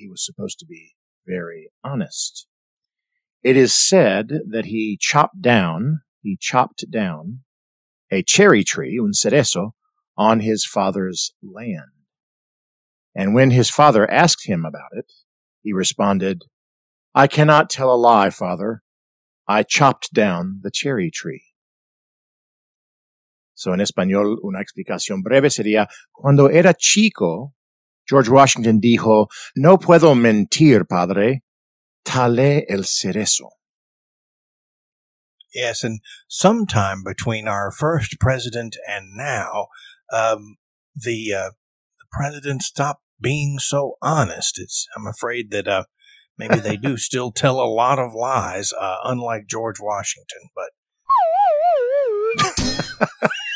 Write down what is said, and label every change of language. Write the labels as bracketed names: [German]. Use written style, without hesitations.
[English] He was supposed to be very honest. It is said that he chopped down a cherry tree, [Spanish] un cerezo, [English] on his father's land. And when his father asked him about it, he responded, "I cannot tell a lie, father. I chopped down the cherry tree." So in [Spanish] español, una explicación breve sería, cuando era chico, George Washington dijo, "No puedo mentir, padre. Talé el cerezo." [English] Yes, and sometime between our first president and now, the president stopped being so honest. I'm afraid that maybe they do still tell a lot of lies, unlike George Washington, but...